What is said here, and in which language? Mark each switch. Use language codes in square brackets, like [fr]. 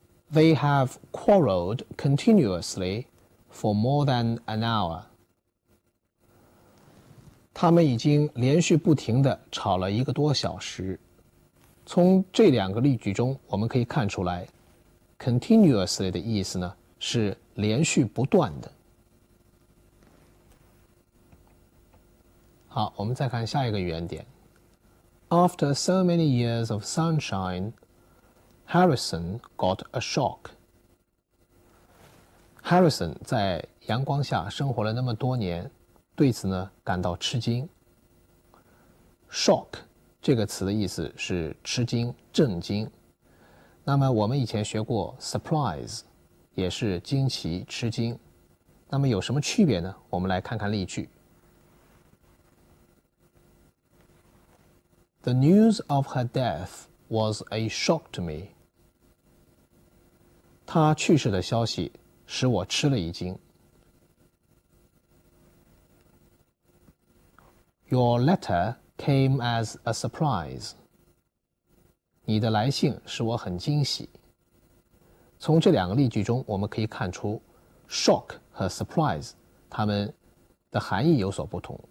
[en] They have quarreled continuously for more than an hour. [zh] 他们已经连续不停地吵了一个多小时。从这两个例句中我们可以看出来 continuously 的意思呢是连续不断的。好，我们再看下一个原点。 [en] After so many years of sunshine, Harrison got a shock. [zh] Harrison 在阳光下生活了那么多年，对此呢感到吃惊。 [en] shock [zh] 这个词的意思是吃惊、震惊。那么我们以前学过 surprise 也是惊奇、吃惊。那么有什么区别呢？我们来看看例句。 [en] The news of her death was a shock to me. [zh] 她去世的消息使我吃了一惊。 [en] Your letter came as a surprise. [zh] 你的来信使我很惊喜。从这两个例句中我们可以看出 shock 和 surprise 它们的含义有所不同。